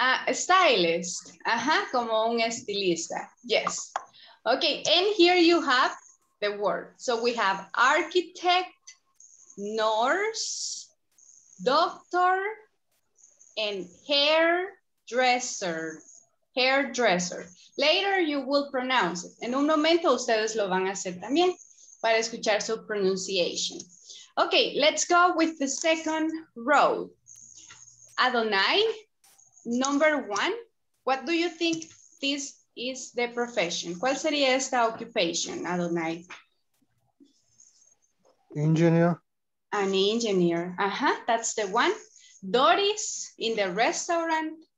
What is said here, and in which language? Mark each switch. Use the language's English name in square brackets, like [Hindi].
[Spanish] Stylist, ajá, como un estilista, [English] yes. Okay, and here you have the word. So we have architect, nurse, doctor, and hairdresser. Hairdresser. Later you will pronounce it. [Spanish] En un momento ustedes lo van a hacer también para escuchar su pronunciation. [English] Okay, let's go with the second row. Adonai, number one, what do you think this is the profession? [Spanish] ¿Cuál sería esta occupation, Adonai? [English] Engineer. An engineer. Uh-huh, that's the one. Doris in the restaurant.